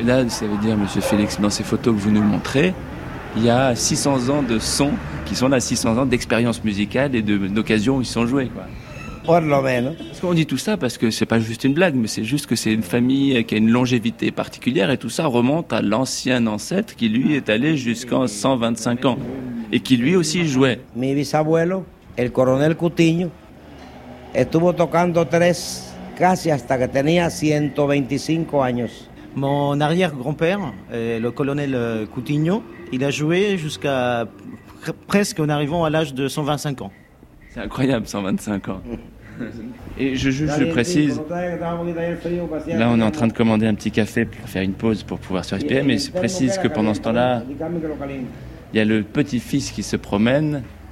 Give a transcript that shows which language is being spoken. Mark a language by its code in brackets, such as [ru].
[fr] Et là, ça veut dire, monsieur Félix, dans ces photos que vous nous montrez, il y a 600 ans de sons qui sont là, 600 ans d'expérience musicale et d'occasions où ils sont joués, quoi. [es] Por lo menos. [fr] Parce qu'on dit tout ça parce que c'est pas juste une blague, mais c'est juste que c'est une famille qui a une longévité particulière et tout ça remonte à l'ancien ancêtre qui lui est allé jusqu'en 125 ans et qui lui aussi jouait. [es] Mi bisabuelo, el coronel Coutinho, estuvo tocando tres casi hasta que tenía 125 años. [fr] Mon arrière-grand-père, le colonel Coutinho, il a joué jusqu'à presque en arrivant à l'âge de 125 ans. C'est incroyable, 125 ans. Et je précise, là on est en train de commander un petit café pour faire une pause, pour pouvoir se respirer, mais je précise que pendant ce temps-là, il y a le petit-fils qui se promène.